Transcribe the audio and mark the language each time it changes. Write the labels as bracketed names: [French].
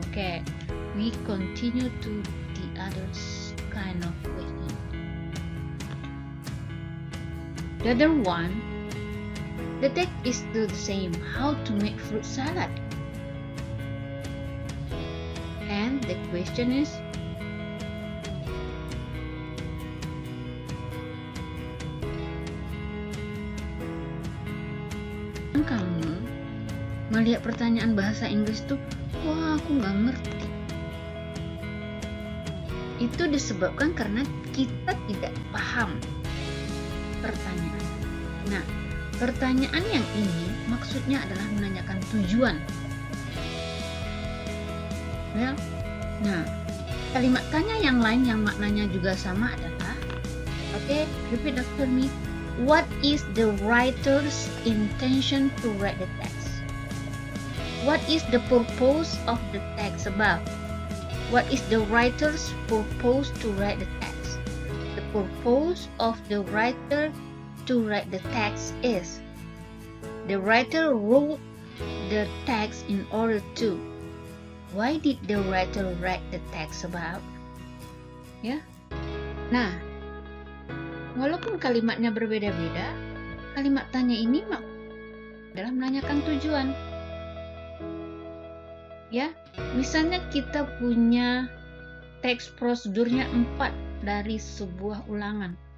[English] Okay, we continue to the other kind of question. The other one, the text is still the same. How to make fruit salad? And the question is, [Indonesian] melihat pertanyaan bahasa Inggris tuh, wah aku gak ngerti. Itu disebabkan karena kita tidak paham pertanyaan. Nah, pertanyaan yang ini maksudnya adalah menanyakan tujuan. Nah, kalimat tanya yang lain yang maknanya juga sama adalah, [English] repeat after me. What is the writer's intention to write the text? What is the purpose of the text above? What is the writer's purpose to write the text? The purpose of the writer to write the text is, the writer wrote the text in order to. Why did the writer write the text about? [Indonesian] Nah, walaupun kalimatnya berbeda-beda, kalimat tanya ini adalah menanyakan tujuan. Misalnya kita punya teks prosedurnya 4 dari sebuah ulangan.